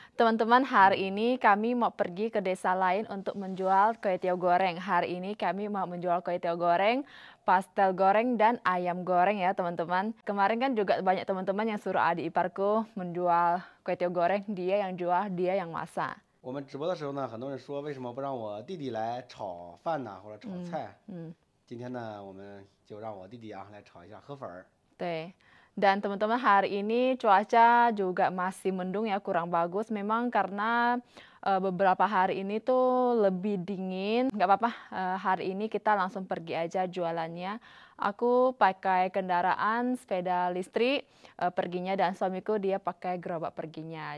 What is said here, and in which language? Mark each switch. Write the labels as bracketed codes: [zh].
[id] Teman-teman, hari ini kami mau pergi ke desa lain untuk menjual kue tiao goreng. Hari ini kami mau menjual kue tiao goreng, pastel goreng, dan ayam goreng ya, teman-teman. Kemarin kan juga banyak teman-teman yang suruh adik iparku menjual kue tiao goreng. Dia yang jual, dia yang masak. [zh] 我们直播的时候呢，很多人说为什么不让我弟弟来炒饭呢，或者炒菜？今天呢，我们就让我弟弟啊来炒一下河粉儿。对。 [id] Dan teman-teman, hari ini cuaca juga masih mendung ya, kurang bagus memang karena beberapa hari ini tuh lebih dingin. Nggak apa-apa, hari ini kita langsung pergi aja jualannya. Aku pakai kendaraan sepeda listrik perginya dan suamiku dia pakai gerobak perginya.